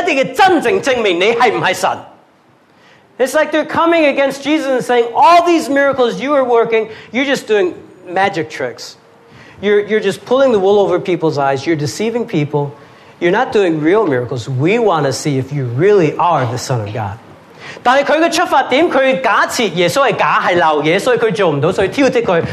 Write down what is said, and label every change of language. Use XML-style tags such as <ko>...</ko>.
<zh>因为似乎他们挑剔耶稣,说你做的是玩小魔术,你做的是欺骗人,蒙蔽人眼睛,我们要一定的真正证明你是不是神。</zh> <en>It's like they're coming against Jesus and saying, all these miracles you are working, you're just doing magic tricks. You're just pulling the wool over people's eyes. You're deceiving people. You're not doing real miracles. We want to see if you really are the Son of God.</en> <zh>但是他的出发点，他假设耶稣是假，是流嘢，所以他做不到，所以挑剔他。</zh>